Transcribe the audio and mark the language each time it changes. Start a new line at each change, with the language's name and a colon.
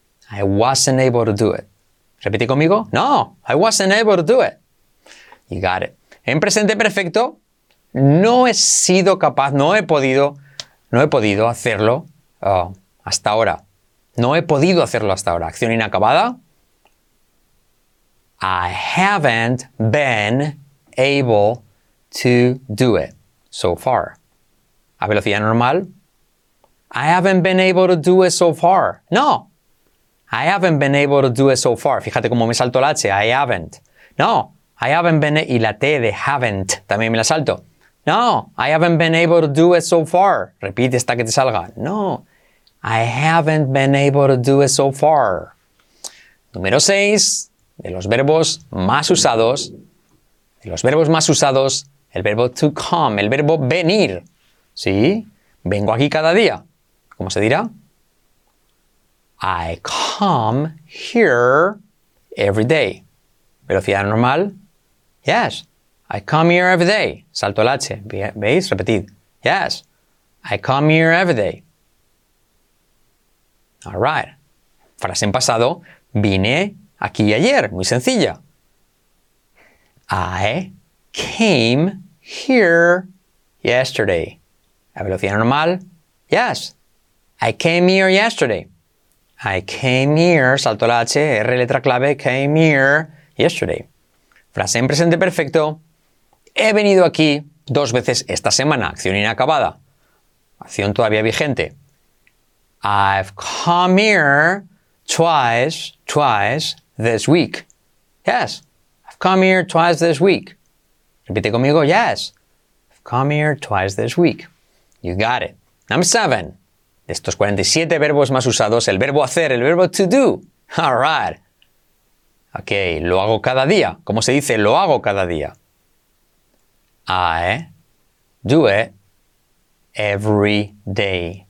English: I wasn't able to do it.
Spanish: ¿Repite conmigo?
English: No, I wasn't able to do it. You got it.
Spanish: En presente perfecto, no he sido capaz, no he podido hacerlo hasta ahora. No he podido hacerlo hasta ahora. Acción inacabada.
English: I haven't been able to do it so far.
Spanish: A velocidad normal.
English: I haven't been able to do it so far. No. I haven't been able to do it so far.
Spanish: Fíjate cómo me salto la H.
English: I haven't. No. I haven't been...
Spanish: Y la T de haven't. También me la salto. No.
English: I haven't been able to do it so far.
Spanish: Repite hasta que te salga. No.
English: I haven't been able to do it so far.
Spanish: Número 6. De los verbos más usados. De los verbos más usados. El verbo to come. El verbo venir. ¿Sí? Vengo aquí cada día. ¿Cómo se dirá?
English: I come here every day.
Spanish: Velocidad normal. Yes.
English: I come here every day.
Spanish: Salto el H. ¿Veis? Repetid.
English: Yes. I come here every day. All right.
Spanish: Frase en pasado. Vine aquí ayer. Muy sencilla.
English: I came here yesterday.
Spanish: A velocidad normal.
English: Yes. I came here yesterday. I came here,
Spanish: saltó la H, R letra clave,
English: came here yesterday.
Spanish: Frase en presente perfecto. He venido aquí dos veces esta semana. Acción inacabada. Acción todavía vigente.
English: I've come here twice this week. Yes. I've come here twice this week.
Spanish: Repite conmigo.
English: Yes. I've come here twice this week. You got it. Number 7.
Spanish: De estos 47 verbos más usados, el verbo hacer, el verbo to do.
English: All right.
Spanish: Ok, lo hago cada día. ¿Cómo se dice lo hago cada día?
English: I do it every day.